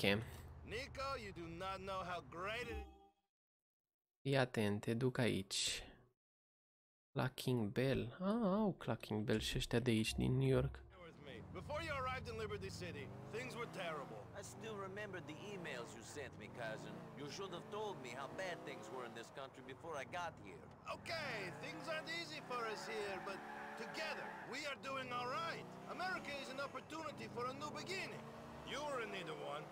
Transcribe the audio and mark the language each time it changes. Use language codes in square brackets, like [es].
[en] Nico, you do not know how great it is. [ro] Fii atent, te duc aici. Clucking Bell. Ah, au Clucking Bell și ăștia de aici, din New York. [en] Before you arrived in Liberty City, things were terrible. I still remember the emails you sent me, cousin. You should have told me how bad things were in this country before I got here. Okay, things aren't easy for us here, but together, we are doing all right. America is an opportunity for a new beginning. You were in need of one.